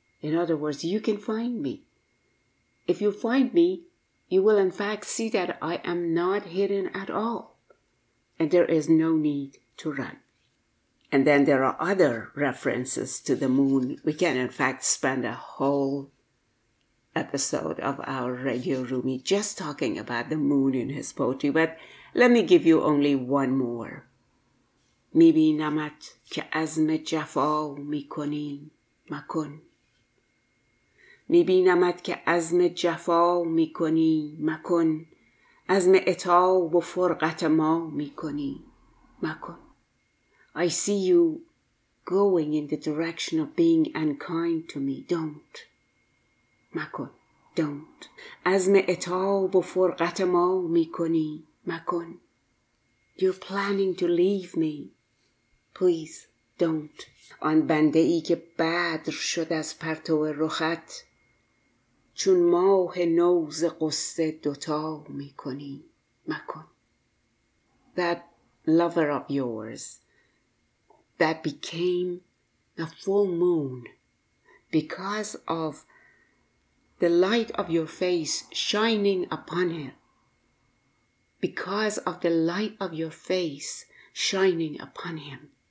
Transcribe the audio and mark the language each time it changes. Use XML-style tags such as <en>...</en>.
<en>In other words, you can find me. If you find me, you will in fact see that I am not hidden at all, and there is no need to run. And then there are other references to the moon. We can, in fact, spend a whole episode of our Radio Rumi just talking about the moon in his poetry. But let me give you only one more.</en> <fa>میبینمت که عزم جفا میکنی مکن. میبینمت که عزم جفا میکنی مکن. عزم عتاب و فرقت ما میکنی مکن.</fa> <en>I see you going in the direction of being unkind to me. Don't.</en> <fa>مکن.</fa> <en>Don't.</en> <fa>عزم عتاب و فرقت ما میکنی مکن.</fa> <en>You're planning to leave me. Please, don't.</en> <fa>آن بنده ای که بدر شد از پرتو رخت چون ماه نوز قصه دوتا می کنی. مکن.</fa> <en>That lover of yours that became the full moon because of the light of your face shining upon her. Because of the light of your face shining upon him.</en>